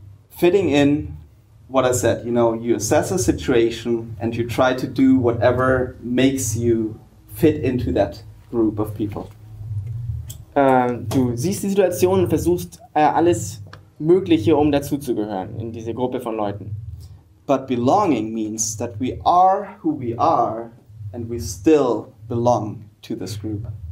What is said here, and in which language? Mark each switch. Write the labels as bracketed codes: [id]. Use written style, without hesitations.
[en] Fitting in what I said, you know, you assess a situation and you try to do whatever makes you fit into that group of people. [de] Du siehst die Situation und versuchst alles Mögliche, um dazuzugehören in diese Gruppe von Leuten. [en] But belonging means that we are who we are and we still belong to this group.